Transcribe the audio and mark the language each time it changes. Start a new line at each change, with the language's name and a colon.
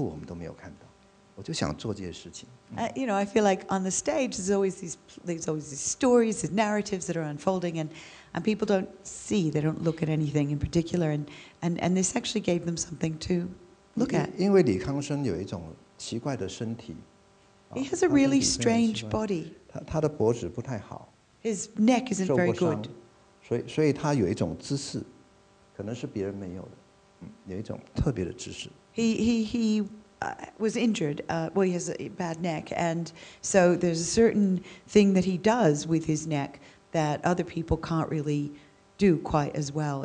Chinese: 我一直觉得我们的剧场一直在讲故事，所以我们好像什么都没有看到，即使是走路我们都没有看到。我就想做这些事情。
English: You know, I feel like on the stage there's always these stories, these narratives that are unfolding, and people don't see, they don't look at anything in particular, and this actually gave them something to look at.
Chinese: 因为李康生有一种奇怪的身体。
English: He has a really strange body.
Chinese: 他的脖子不太好。
English: His neck isn't very good.
Chinese: 所以他有一种姿势，可能是别人没有的，有一种特别的姿势。
English: He was injured. Well, he has a bad neck, and so there's a certain thing that he does with his neck that other people can't really do quite as well.